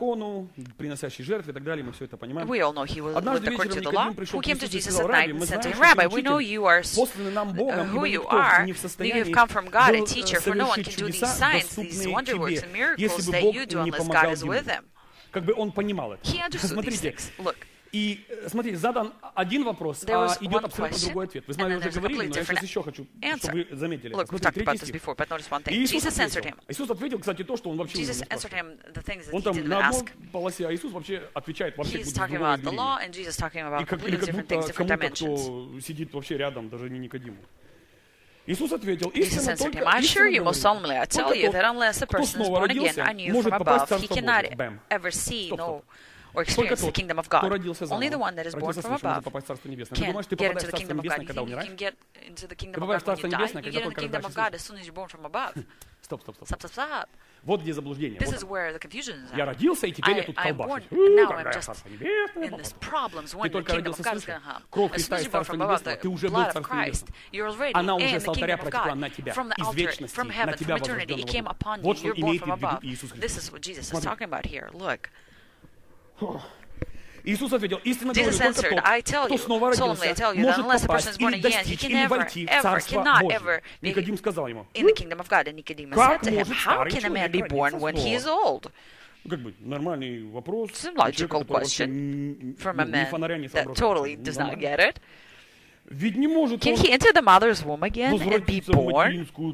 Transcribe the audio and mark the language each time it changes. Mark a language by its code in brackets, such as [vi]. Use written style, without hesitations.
[en] We all know he was with according to the law. Who came to Jesus at night and said to him, Rabbi, we know you are who you are, that you have come from God, a teacher, for no one can do these signs, these wonder works and miracles that you do unless God is with him. He understood these things. Look. [ru] И смотрите, задан один вопрос, а идет абсолютно другой ответ. Вы с вами уже говорили, но я сейчас еще хочу, чтобы вы заметили. Иисус ответил, кстати, то, что он вообще не спрашивал. Он там на одной полосе, а Иисус вообще отвечает вообще в другом измерении. И как будто кому-то, кто сидит вообще рядом, даже не Никодиму. Иисус ответил, истинно только истинно говорю. Только тот, кто снова родился, может попасть в Царство Божие. [en] Or experience the kingdom of God. Only the one that is born from above can get into the kingdom of God. You can get into the kingdom of God when you die. You get into the kingdom of God as soon as you're born from above. [ru] Stop. Вот где заблуждение. [en] This is where the confusion is. [ru] Я родился, и теперь я тут колбашусь. [en] Now I'm just in this problems when the kingdom of God is going to come. [ru] Кровь Христа из Царства Небесного, ты уже был в Царстве Небесном. Она уже с алтаря протекла на тебя, из вечности, на тебя вожденного. Вот что имеет в виду Иисус Христос. Иисус ответил, истинно говорю, только тот, кто снова родился, может попасть или достичь, или войти в Царство Божие. Никодим сказал ему, как может старый человек родиться снова? Как бы нормальный вопрос, человек, который вообще ни фонаря не соображает. [en] Can he enter the mother's womb again and be born?